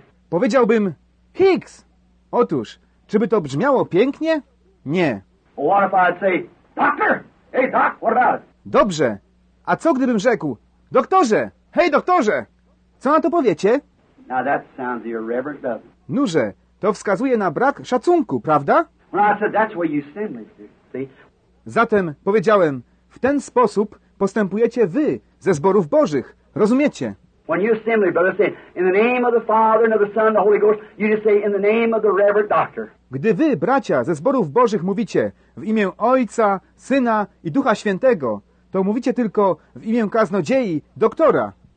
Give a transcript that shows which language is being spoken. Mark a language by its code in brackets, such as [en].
[pl] Powiedziałbym, Hicks, otóż, czy by to brzmiało pięknie? Nie. [en] What if I'd say, doctor? Hey, doc, what about it? [pl] Dobrze. A co gdybym rzekł, doktorze? Hej, doktorze! Co na to powiecie? [en] Now that sounds irreverent, doesn't it? [pl] Nurze, to wskazuje na brak szacunku, prawda? [en] Well, I said, that's what you sin with, see? [pl] Zatem powiedziałem, w ten sposób postępujecie wy ze zborów bożych. Rozumiecie? [en] When you sin with, brother, say, in the name of the Father, and of the Son, and the Holy Ghost, you just say, in the name of the reverend doctor. [pl] Gdy wy, bracia, ze zborów bożych mówicie w imię Ojca, Syna i Ducha Świętego, to mówicie tylko w imię kaznodziei, doktora.